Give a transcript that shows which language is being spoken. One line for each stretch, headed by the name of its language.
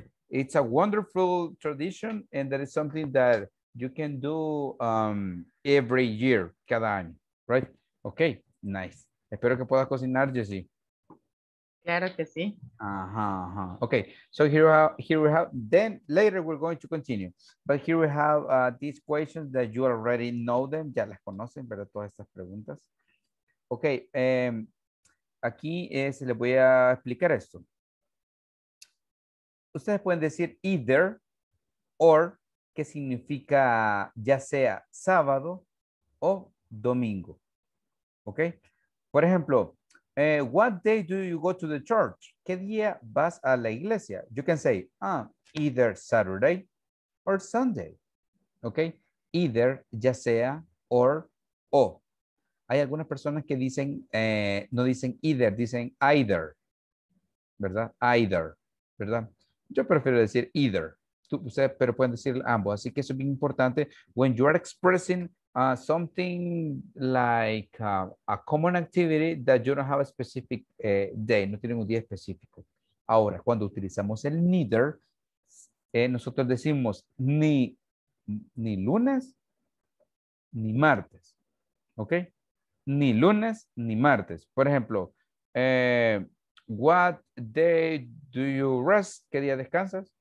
English: It's a wonderful tradition, and that is something that you can do every year,
Spanish: cada año.
English: Right? Okay, nice.
Spanish: Espero que puedas cocinar, Jesse. Claro que sí.
English: Okay, so here we have, then later we're going to continue. But here we have these questions that you already know them.
Spanish: Ya las conocen, ¿verdad? Todas estas preguntas. Okay, aquí es, les voy a explicar esto. Ustedes pueden decir either or, que significa ya sea sábado o domingo. Okay, por ejemplo,
English: What day do you go to the church?
Spanish: ¿Qué día vas a la iglesia?
English: You can say, either Saturday or Sunday.
Spanish: Okay, either, ya sea, or, o. Hay algunas personas que dicen, no dicen either, dicen either. ¿Verdad? Either. ¿Verdad? Yo prefiero decir either. Ustedes, pero pueden decir ambos. Así que eso es bien importante.
English: When you are expressing something like a common activity that you don't have a specific day.
Spanish: No tienen un día específico. Ahora, cuando utilizamos el neither, nosotros decimos ni lunes ni martes. ¿Ok? Ni lunes ni martes. Por ejemplo,
English: what day do you rest?
Spanish: ¿Qué día descansas?